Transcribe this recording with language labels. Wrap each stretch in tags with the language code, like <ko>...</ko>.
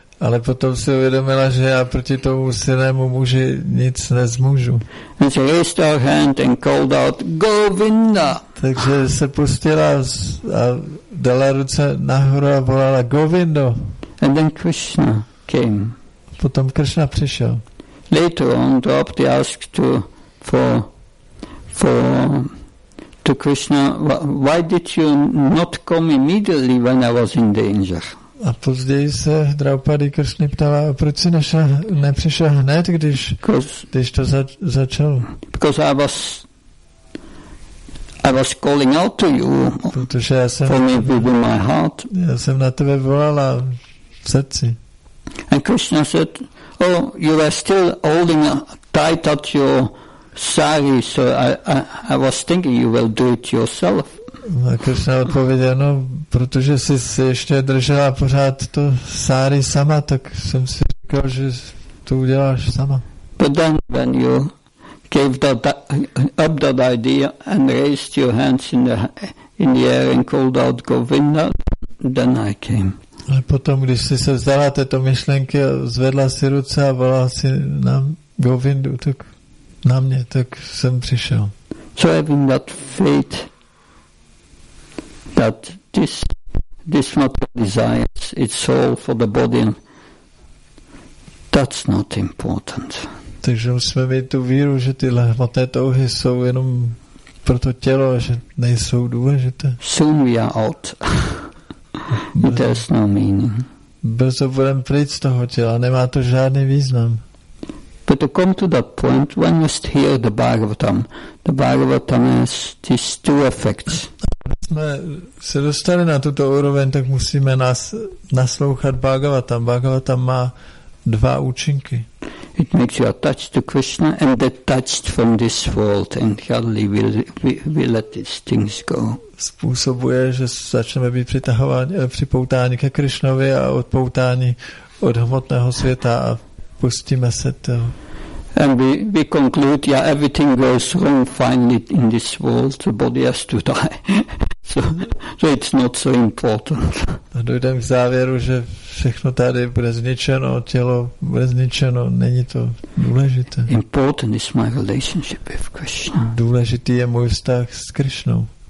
<cs>Ale potom si uvědomila, že já proti tomu silnému muži nic nezmůžu.</cs> <en>And she raised her hand and called out, Govinda.</en> <cs>Takže se pustila a dala ruce nahoru a volala Govindo.</cs> <en>And then Krishna came.</en> <cs>Potom Krishna přišel.</cs> <en>Later on, Draupadi asked to Krishna, why did you not come immediately when I was in danger?</en> <cs>A později se Draupadi Krishna ptala, proč jsi nepřišel hned, když to začalo?</cs> <en>Because I was calling out to you.</en> <cs>Protože já jsem</cs> <en>for me within my heart.</en> <cs>Já jsem na tebe volala.</cs> <en>And Krishna said, "Oh, you are still holding tight at your sari, so I was thinking you will do it yourself."</en> <cs>A Krishna odpověděl, no, protože jsi ještě držela pořád to sari sama, tak jsem si říkal, že to uděláš sama.</cs> <en>But then, when you gave up that idea and raised your hands in the air and called out Govinda, then I came.</en> <cs>A potom, když jsi se vzdala této myšlenky a zvedla si ruce a volala si na Govindu, tak na mě, tak jsem přišel.</cs> <en>So having that faith that this material desires, it's all for the body, that's not important.</en> <cs>Takže musíme mít tu víru, že tyhle hmotné touhy jsou jenom pro to tělo, že nejsou důležité.</cs> <en>Soon we are out. It has no meaning.</en> <cs>Brzo budem pryč z toho těla, nemá to žádný význam.</cs> <en>But to come to that point, one must hear the Bhagavatam. The Bhagavatam has these two effects.</en> <cs>Když jsme se dostali na tuto úroveň, tak musíme naslouchat Bhagavatam. Bhagavatam má dva účinky.</cs> <en>It makes you attached to Krishna and detached from this world, and hardly we let these things go.</en> <cs>Způsobuje, že začneme být připoutáni ke Krišnovi a odpoutáni od hmotného světa a pustíme se to.</cs> <en>And we conclude, yeah, everything goes wrong finally in this world, the body has to die. So it's not so important.</en> <cs>A dojdeme k závěru, že všechno tady bude zničeno, tělo bude zničeno, není to důležité.</cs> <en>Important is my relationship with Krishna.</en> <cs>Důležitý je můj vztah s Krišnou.</cs>